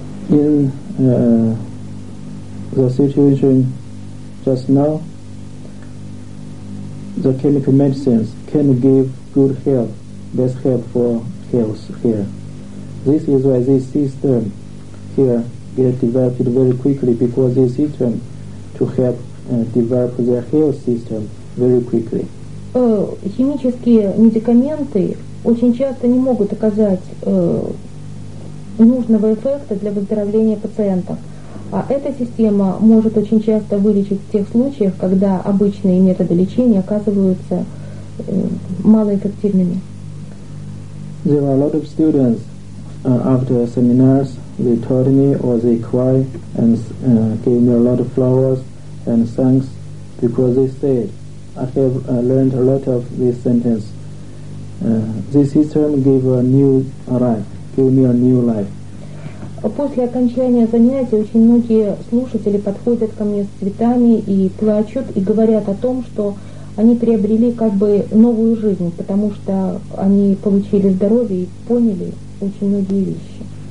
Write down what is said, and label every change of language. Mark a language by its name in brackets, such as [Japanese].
[English] In the situation just now, the chemical medicines can give good health, best help for health here. This is why this system here get developed very quickly, because this system to help develop their health system very quickly. [Russian] Химические медикаменты очень часто не могут оказать нужного эффекта для выздоровления пациентов. А эта система может очень часто вылечить в тех случаях, когда обычные методы лечения оказываются малоэффективными. [English] There are a lot of students after seminars, they told me or they cry and gave me a lot of flowers and thanks, because they said, I have learned a lot of this sentence. This system gave a new life. Give me a new life. [Russian] После окончания занятий очень многие слушатели подходят ко мне с цветами и плачут, и говорят о том, что они приобрели как бы новую жизнь, потому что они получили здоровье и поняли очень многие вещи.